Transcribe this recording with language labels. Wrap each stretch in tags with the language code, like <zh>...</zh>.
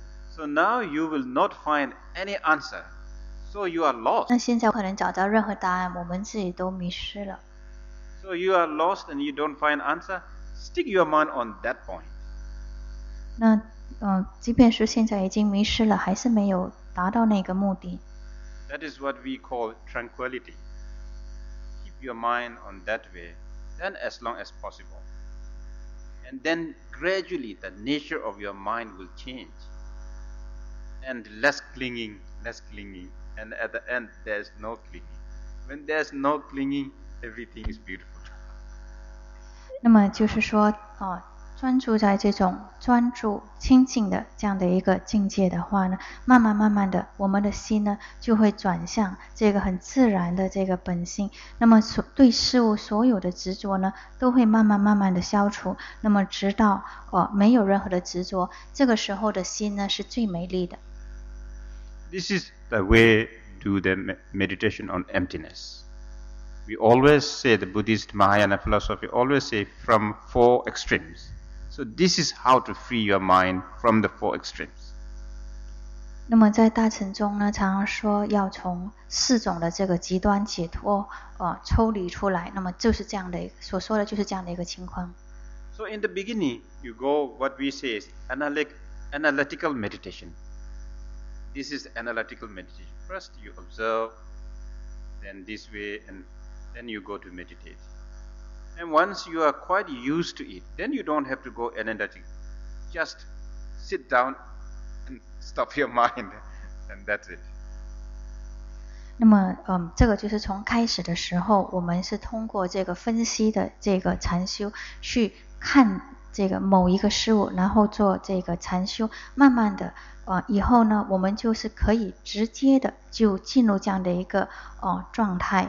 <en>So now you will not find any answer, so you are lost.</en> <zh>那现在不可能找到任何答案，我们自己都迷失了。</zh> <en>So you are lost and you don't find answer, stick your mind on that point.</en> <zh>那即便是现在已经迷失了，还是没有达到那个目的。</zh> <en>That is what we call tranquility. Keep your mind on that way, then as long as possible. And then gradually the nature of your mind will change. And less clinging, and at the end there's no clinging. When there's no clinging, everything is beautiful.</en> <zh>那么就是说专注在这种专注清净的这样的一个境界的话呢，慢慢慢慢的我们的心呢就会转向这个很自然的这个本性，那么对事物所有的执着呢都会慢慢慢慢的消除，那么直到没有任何的执着，这个时候的心呢是最美丽的。</zh> <en>This is the way to the meditation on emptinessWe always say, the Buddhist Mahayana philosophy always say, from four extremes. So this is how to free your mind from the four extremes.</en> <zh>那么在大乘中呢，常常说要从四种的这个极端解脱抽离出来，那么就是这样的，所说的就是这样的一个情况。</zh> <en>So in the beginning, you go what we say is analytical meditation. This is analytical meditation. First you observe, then this way andThen you go to meditate. And once you are quite used to it, then you don't have to go energetic. Just sit down and stop your mind, and that's it.</en> <zh>那么这个就是从开始的时候，我们是通过这个分析的这个禅修去看这个某一个事物，然后做这个禅修，慢慢的以后呢，我们就是可以直接的就进入这样的一个状态。</zh>